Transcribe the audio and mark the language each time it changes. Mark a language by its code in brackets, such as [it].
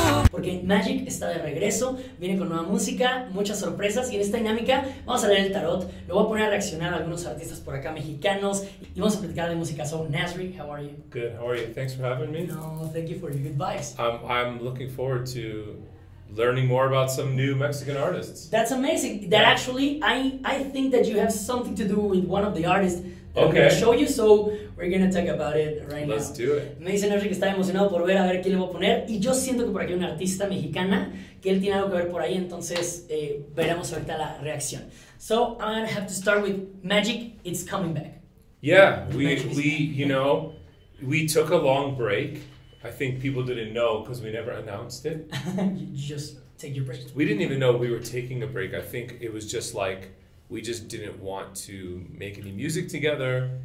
[es] Porque MAGIC está de regreso, viene con nueva música, muchas sorpresas. Y en esta dinámica vamos a leer el tarot, lo voy a poner a reaccionar a algunos artistas por acá mexicanos y vamos a platicar de música. [en] So, Nasri, how are you? Good, how are you? Thanks for having me. No, thank you for your good vibes. I'm looking forward to learning more about some new Mexican artists. That's amazing. That actually, I think that you have something to do with one of the artists that I'm going to show you, so we're going to talk about it right Let's now. Let's do it. [es] Me dice Nasri que está emocionado por ver a ver quién le voy a poner, y yo siento que por aquí hay una artista mexicana que él tiene algo que ver por ahí, entonces veremos ahorita la reacción. [en] So, I'm going to have to start with MAGIC, it's coming back. Yeah, we took a long break. I think people didn't know because we never announced it. You just take your break. We didn't even know we were taking a break. I think it was just like we just didn't want to make any music together.